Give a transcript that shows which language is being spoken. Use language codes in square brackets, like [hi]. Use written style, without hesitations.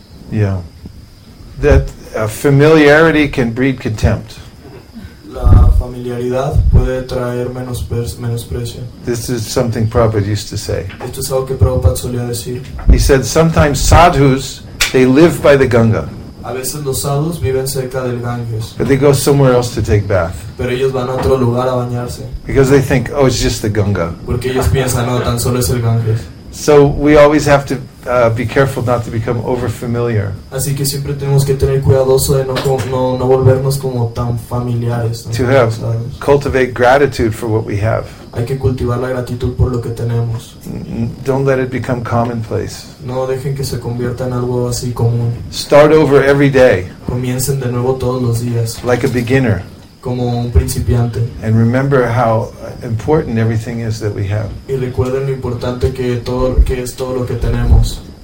[en] Yeah. That familiarity can breed contempt. [es] La familiaridad puede traer menosprecio. [en] This is something Prabhupada used to say. [es] Esto es algo que Prabhupada solía decir. [en] He said, sometimes sadhus, they live by the Ganga. [es] A veces los sadhus viven cerca del Ganges. [en] But they go somewhere else to take bath. [es] Pero ellos van a otro lugar a bañarse. [en] Because they think, oh, it's just the Ganga. [es] Porque ellos piensan, no, tan solo es el Ganges. [en] So we always have to be careful not to become over familiar. [es] Así que siempre tenemos que tener cuidadoso de no volvernos como tan familiares. [en] To have, [es] ¿sabes? [en] Cultivate gratitude for what we have. [es] Hay que cultivar la gratitud por lo que tenemos. [en] Don't let it become commonplace. [es] No dejen que se convierta en algo así común. [en] Start over every day. [es] Comiencen de nuevo todos los días. [en] Like a beginner. [es] Como un principiante. [en] And remember how important everything is that we have. [es] Y recuerden lo importante que todo, que es todo lo que tenemos.